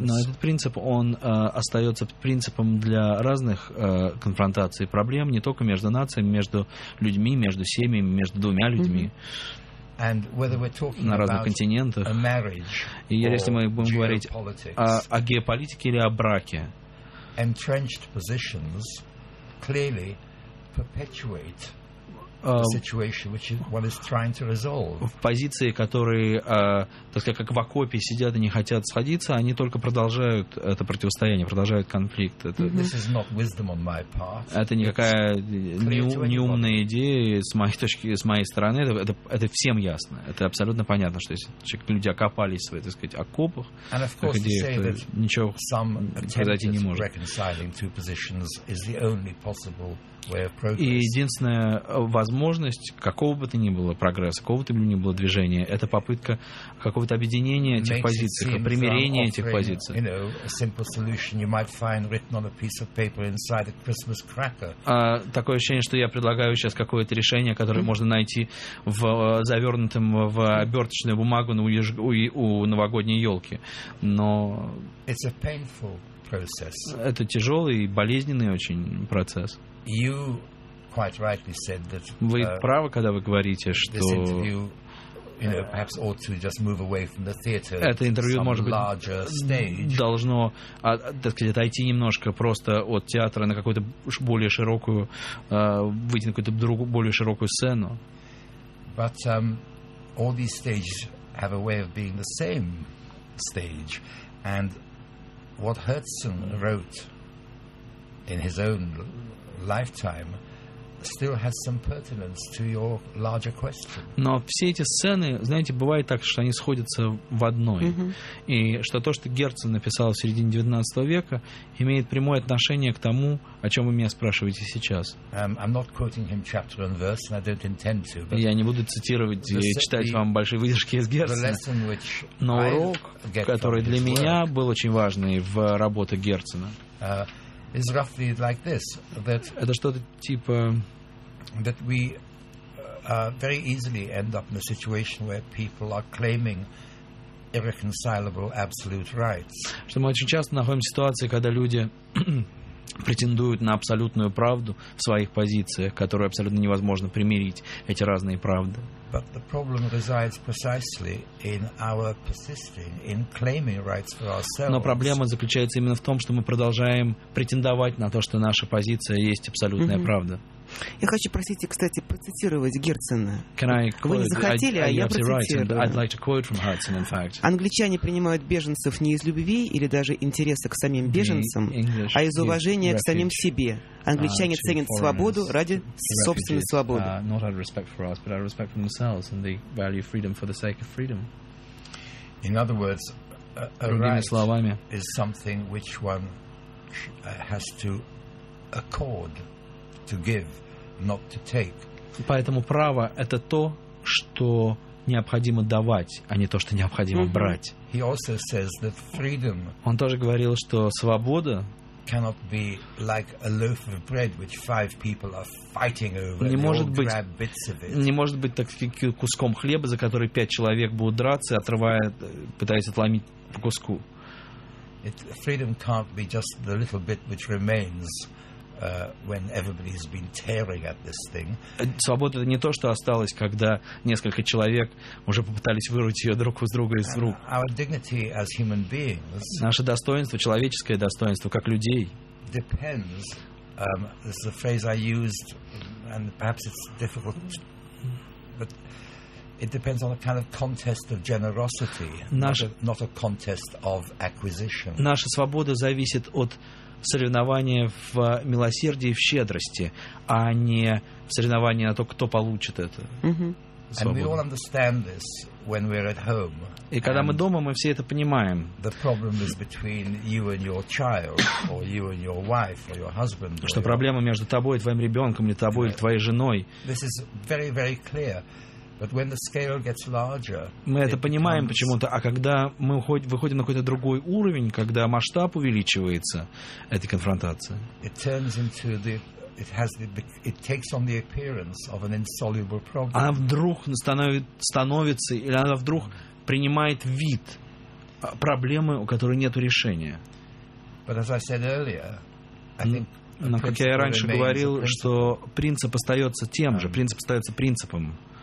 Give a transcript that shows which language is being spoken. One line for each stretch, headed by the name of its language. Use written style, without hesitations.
Russian: Но этот принцип, он остается принципом для разных конфронтаций, проблем, не только между нациями, между людьми, между семьями, между двумя людьми. Mm-hmm.
English: And whether we're talking
Russian: на разных континентах, и если мы будем говорить о геополитике или о браке,
English: entrenched positions clearly perpetuate the situation which one is trying to resolve.
Russian: В позиции, которые, так сказать, как в окопе сидят и не хотят сходиться, они только продолжают это противостояние, продолжают конфликт.
English: This is not wisdom on my part.
Russian: Это никакая неумная идея с моей точки, с моей стороны. Это всем ясно. Это абсолютно понятно, что если люди окопались в, так сказать, окопах, ничего произойти не может.
English: Reconciling two positions is the only possible.
Russian: И единственная возможность какого бы то ни было прогресса, какого бы то ни было движения, это попытка какого-то объединения этих позиций, примирения этих позиций. Такое ощущение, что я предлагаю сейчас какое-то решение, которое можно найти в завернутом в оберточную бумагу у новогодней елки. Но это тяжелый и болезненный очень процесс.
English: You quite rightly said that.
Russian: Вы правы, когда вы говорите, что
English: perhaps ought to just move away from the theater.
Russian: Это интервью, может быть, должно, так сказать, отойти немножко просто от театра на какую-то более широкую, выйти на какую-то другую более широкую сцену.
English: But all these stages have a way of being the same stage, and what Herzen wrote in his own lifetime still has some pertinence to your larger question.
Russian: Но все эти сцены, знаете, бывает так, что они сходятся в одной. Mm-hmm. И что то, что Герцен написал в середине 19 века, имеет прямое отношение к тому, о чем вы меня спрашиваете сейчас.
English: I'm not quoting him chapter and verse, and I don't intend to. But
Russian: я не буду цитировать и читать вам большие выдержки из Герцена. Но урок, который для меня был очень важный в работе Герцена,
English: is roughly like this, that
Russian: это что-то типа
English: that we very easily end up in a situation where people are claiming irreconcilable absolute rights.
Russian: Что мы очень часто находим ситуации, когда люди претендуют на абсолютную правду в своих позициях, которую абсолютно невозможно примирить, эти разные правды.
English: But the problem resides precisely in our persisting in claiming rights for ourselves.
Russian: Но проблема заключается именно в том, что мы продолжаем претендовать на то, что наша позиция есть абсолютная mm-hmm. правда. Я хочу просить, кстати, процитировать Герцена.
English: Can I quote?
Russian: Вы не захотели, а я процитирую.
English: I'd like to quote from Herzen, in fact.
Russian: Англичане принимают беженцев не из любви или даже интереса к самим беженцам, а из уважения к самим себе. Англичане ценят свободу ради собственной свободы.
English: Not out of respect for us, but out of respect for themselves, and they value freedom for the sake of freedom. In other words, a right is something which one has to accord to give, not to take.
Russian: Поэтому право – это то, что необходимо давать, а не то, что необходимо брать.
English: He also says that freedom.
Russian: Он тоже говорил, что свобода
English: cannot be like a loaf of bread which five people are fighting over.
Russian: Не может быть, так куском хлеба, за который пять человек будут драться, отрывая, пытаясь отломить по куску.
English: Freedom can't be just the little bit which remains. When everybody's been tearing at this thing.
Russian: Свобода — это не то, что осталось, когда несколько человек уже попытались вырвать ее друг из друга из рук.
English: Our dignity as human beings.
Russian: Наше достоинство, человеческое достоинство как людей.
English: Depends. This is a phrase I used, and perhaps it's difficult, but it depends on a kind of contest of generosity, not a contest of acquisition.
Russian: Наша свобода зависит от соревнования в милосердии и в щедрости, а не соревнования на то, кто получит это.
English: And we all understand this when we're at home.
Russian: И когда мы дома, мы все это понимаем.
English: The problem is between you and your child, or you and your wife, or your husband.
Russian: Что проблема между тобой и твоим ребенком, или тобой или твоей женой?
English: This is very, very clear. But when the scale gets larger,
Russian: мы это понимаем
English: becomes...
Russian: почему-то, а когда мы выходим на какой-то другой уровень, когда масштаб увеличивается этой конфронтации,
English: it turns into the, it has the, it takes on the appearance of an insoluble problem.
Russian: Она вдруг становится, или она вдруг принимает вид проблемы, у которой нет решения.
English: But as I said earlier, I think...
Russian: Но, как я и раньше говорил, что принцип остается тем же, принцип остается принципом.